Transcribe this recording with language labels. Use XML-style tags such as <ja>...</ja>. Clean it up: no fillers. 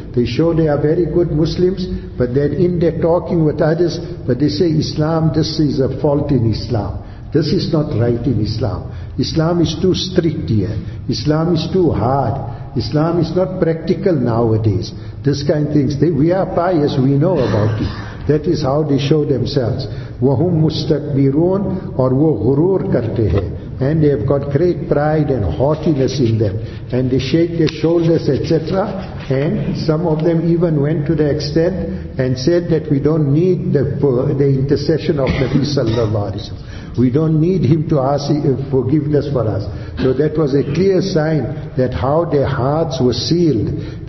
<en>They show they are very good Muslims, but then in their talking with others, but they say Islam, this is a fault in Islam. This is not right in Islam. Islam is too strict here. Islam is too hard. Islam is not practical nowadays. This kind of things. We are pious, we know about it. That is how they show themselves.</en> <ar>وَهُمْ مُسْتَكْبِرُونَ,</ar> <ur>or وہ غرور کرتے ہیں.</ur> <en>And they have got great pride and haughtiness in them. And they shake their shoulders, etc. And some of them even went to the extent and said that we don't need the intercession of Nabi sallallahu alayhi wa sallam. We don't need him to ask forgiveness for us. So that was a clear sign that how their hearts were sealed.</en>